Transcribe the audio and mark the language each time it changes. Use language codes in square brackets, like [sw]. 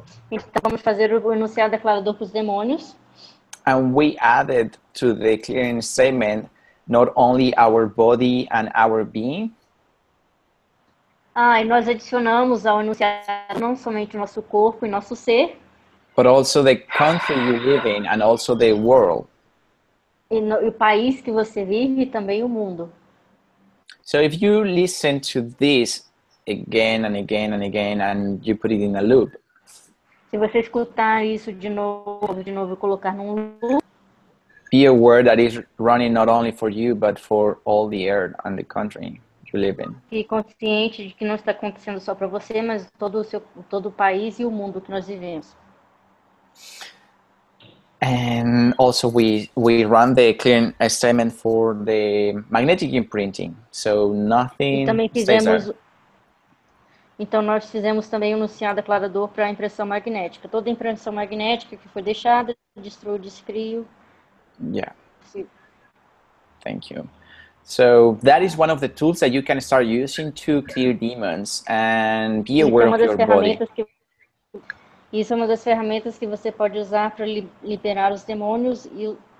[pt] Então vamos fazer o enunciado declarador para os demônios. [en] And we added to the clearing statement not only our body and our being. [pt] Ah, e nós adicionamos ao enunciado não somente nosso corpo e nosso ser. [en] But also the country you live in and also the world. [pt] O país que você vive e também o mundo. [en] So if you listen to this again and again and again and you put it in a loop. [pt] Se você escutar isso de novo e colocar num loop. [en] Be aware that is running not only for you but for all the earth and the country you live in. [pt] Fique consciente de que não está acontecendo só para você, mas todo o país e o mundo que nós vivemos. [en] And also we run the clearing statement for the magnetic imprinting. So nothing stays there. [pt] Então, nós fizemos também o enunciado declarador para a impressão magnética. Toda impressão magnética que foi deixada, destruiu, descrio. [en] Yeah. [pt] Sim. [en] Thank you. So, that is one of the tools that you can start using to clear demons and be aware of your body. [pt] Isso é uma das ferramentas que você pode usar para liberar os demônios e...